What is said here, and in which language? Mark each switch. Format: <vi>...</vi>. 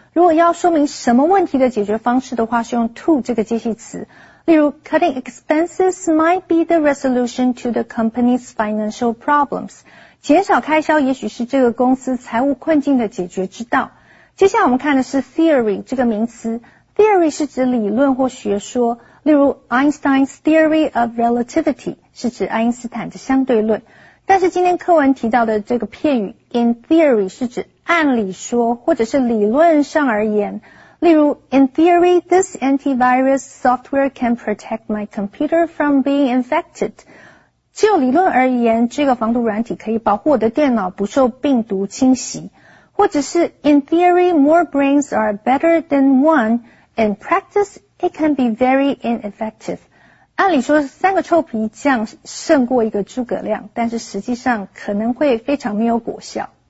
<zh>如果要说明什么问题的解决方式的话，是用 to 这个介系词。例如</zh> <en>,cutting expenses might be the resolution to the company's financial problems.</en> <zh>减少开销也许是这个公司财务困境的解决之道。接下来我们看的是 theory 这个名词。theory 是指理论或学说。例如 ,</zh> <en>Einstein's theory of relativity</en> <zh>是指爱因斯坦的相对论。但是今天课文提到的这个片语</zh> <en>in theory</en> <zh>是指按理说或者是理论上而言。例如</zh> <en>in theory, this antivirus software can protect my computer from being infected.</en> <zh>只有理论而言，这个防毒软体可以保护我的电脑不受病毒侵袭。或者是</zh> <en>in theory, more brains are better than one. In practice, it can be very ineffective.</en> <zh>按理说三个臭皮匠胜过一个诸葛亮，但是实际上可能会非常没有果效。</zh>